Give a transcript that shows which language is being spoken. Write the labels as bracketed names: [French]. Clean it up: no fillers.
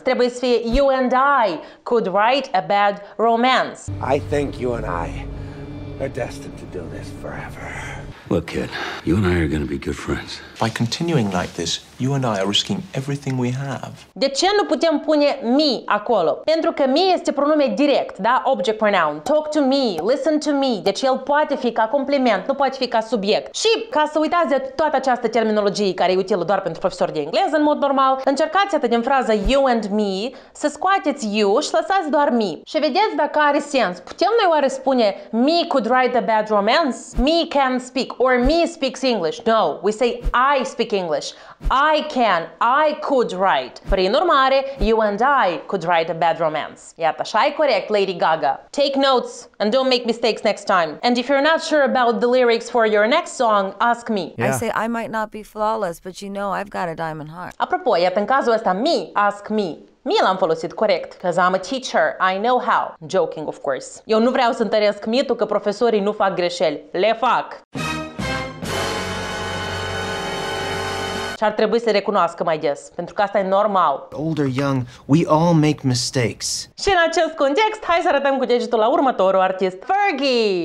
[Romanian] Trebuie să fie [English] you and I could write a bad romance. I think you and I are destined to do this forever. Look, kid, you and I are going to be good friends. By continuing like this, you and I are risking everything we have. [Romanian] De ce nu putem pune me acolo? Pentru că me este pronume direct, da? [English] Object pronoun. Talk to me, listen to me. [Romanian] Deci el poate fi ca compliment, nu poate fi ca subiect. Și ca să uitați de toată această terminologie care e utilă doar pentru profesori de engleză în mod normal, încercați atât din fraza [English] you and me [Romanian] să scoateți you și lăsați doar me. Și vedeți dacă are sens. Putem noi oare spune [English] me could write a bad romance? Me can speak or me speaks English. No, we say I speak English. I can, I could write. [Romanian] Prin urmare, [English] you and I could write a bad romance. [Romanian] Iată, așa e corect, Lady Gaga. [English] Take notes and don't make mistakes next time. And if you're not sure about the lyrics for your next song, ask me. Yeah. I say, I might not be flawless, but you know I've got a diamond heart. [Romanian] Apropo, iată, în cazul ăsta, me, [English] ask me. [Romanian] Mie l-am folosit corect, [English] because I'm a teacher, I know how. Joking, of course. [Romanian] Eu nu vreau să întăresc mitul că profesorii nu fac greșeli. Le fac! Și ar trebui să recunoască mai des, pentru că asta e normal. [English] Old or young, we all make mistakes. [Romanian] Și în acest context, hai să arătăm cu degetul la următorul artist, Fergie!